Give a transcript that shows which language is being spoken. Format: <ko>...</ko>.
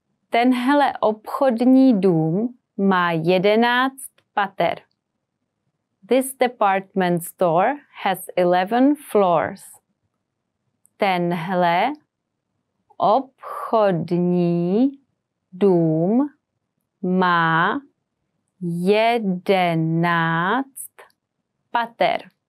<cs>Tenhle obchodní dům má 11 pater.</cs> <en>This department store has 11 floors.</en> <cs>Tenhle obchodní dům má 11 pater.</cs>